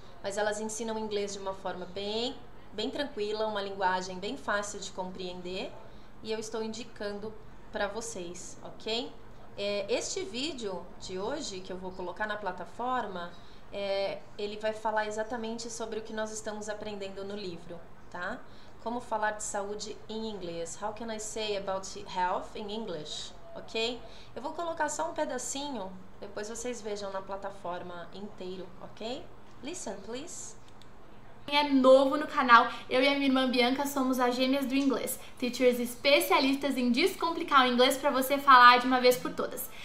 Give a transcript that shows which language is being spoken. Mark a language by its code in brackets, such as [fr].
[pt] Mas elas ensinam inglês de uma forma bem, bem tranquila, uma linguagem bem fácil de compreender. E eu estou indicando para vocês, ok? Este vídeo de hoje que eu vou colocar na plataforma, ele vai falar exatamente sobre o que nós estamos aprendendo no livro, tá? Como falar de saúde em inglês? [en] How can I say about health in English? Ok? [pt] Eu vou colocar só um pedacinho, depois vocês vejam na plataforma inteiro, ok? [en] Listen, please. [pt] É novo no canal, eu e a minha irmã Bianca somos as gêmeas do inglês, teachers especialistas em descomplicar o inglês para você falar de uma vez por todas.